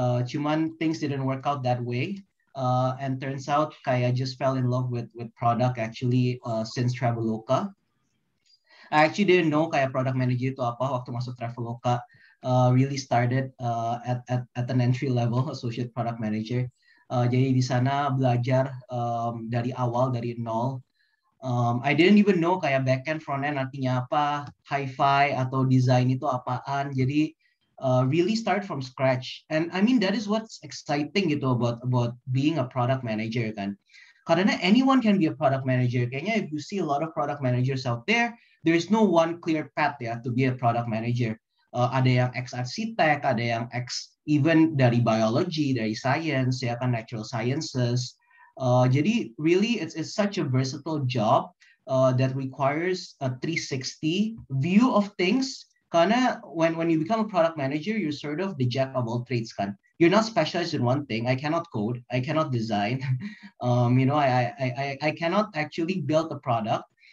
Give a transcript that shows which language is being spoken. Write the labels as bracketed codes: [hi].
[en] Cuman things didn't work out that way. And turns out kayak just fell in love with product actually since Traveloka. I actually didn't know kayak product manager [id] itu apa waktu masuk [en] Traveloka. Really started at an entry level associate product manager. [id] Jadi di sana belajar dari awal, dari nol. [en] I didn't even know kayak back end, front end [id] artinya apa, [en] hi-fi atau design [id] itu apaan. [en] Jadi really start from scratch. And I mean that is what's exciting gitu about being a product manager kan. Karena anyone can be a product manager. Kayaknya if you see a lot of product managers out there, there is no one clear path ya to be a product manager. [id] Ada yang ex-arsitek, ada yang ex even dari biology, dari science, ya kan, natural sciences. [en] Jadi really it's such a versatile job that requires a 360 view of things. Karena when you become a product manager, you're sort of the jack of all trades kan. You're not specialized in one thing. I cannot code, I cannot design. You know, I cannot actually build a product.